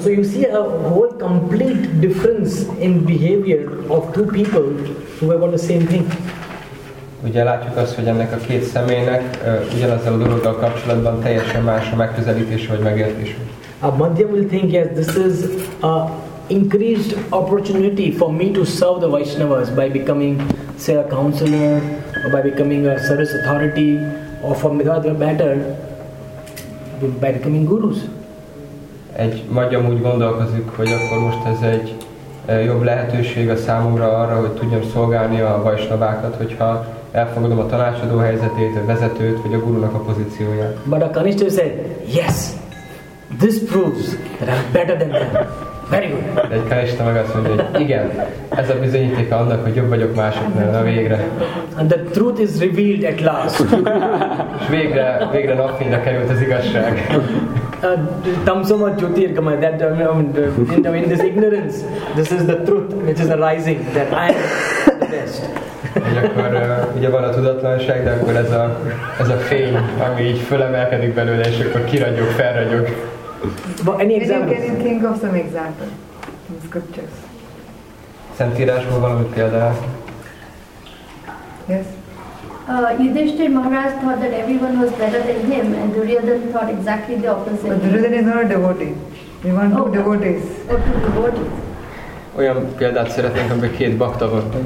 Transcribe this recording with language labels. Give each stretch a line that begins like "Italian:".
English: So you see a whole complete difference in behavior of two people who have got the same thing.
Hungarian: Ugye látjuk azt, hogy ennek a két személynek ugyanazzal a dologgal kapcsolatban teljesen más a megközelítése vagy megértése.
English: A Madhyam will think, yes, this is an increased opportunity for me to serve the Vaishnavas by becoming, say, a counselor, or by becoming a service authority, or for the better, by becoming gurus.
Hungarian: Egy Madhyam úgy gondolkozik, hogy akkor most ez egy jobb lehetőség a számomra arra, hogy tudjam szolgálni a Vaishnavákat, hogyha elfogadom a tanácsadó helyzetét, a vezetőt, vagy a gurunak a pozícióját.
English: But a Kanishta say, yes! This proves that I'm better than them. Very good.
Hungarian: Egy Kanishta meg azt mondja, hogy igen, ez a bizonyítéka annak, hogy jobb vagyok másoknál, na végre.
English: And the truth is revealed at last.
Hungarian: És végre napfényre került az igazság.
Sanskrit: Tamsoma Jyotir Gamaya,
English: that in this ignorance, this is the truth which is arising, that I am the best.
Hungarian: Hogy akkor ugye van a tudatlanság, de akkor ez a fény, ami így fölemelkedik belőle, és akkor kiragyog, felragyog.
English: But any examples? Can you think of some example in scriptures?
Hungarian: Szentírásból valami példa?
English: Yes. Yudhishthir Maharaj thought that everyone was better than him, and Duryodhana thought exactly the opposite. But Duryodhana is not a devotee. We want devotees. Oh, two devotees.
Hungarian: Olyan példát szeretnénk, amiben két bhakta van.